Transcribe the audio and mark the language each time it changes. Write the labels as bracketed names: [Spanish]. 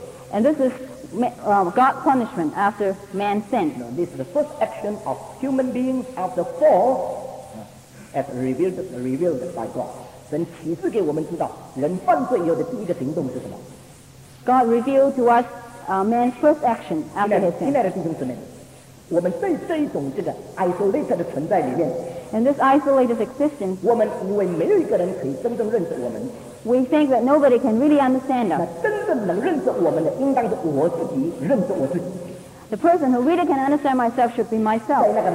[English] And this is God's punishment after man sinned. No, this is the first action of human beings after fall, as revealed by God. [Chinese] 神启示给我们知道，人犯罪以后的第一个行动是什么？ [English] God revealed to us man's first action after his sin. [Chinese] 亲爱的弟兄姊妹，我们在这一种这个 isolated 的存在里面， [English] in this isolated existence， [Chinese] 我们以为没有一个人可以真正认识我们。 [English] We think that nobody can really understand us. The person who really can understand myself should be myself.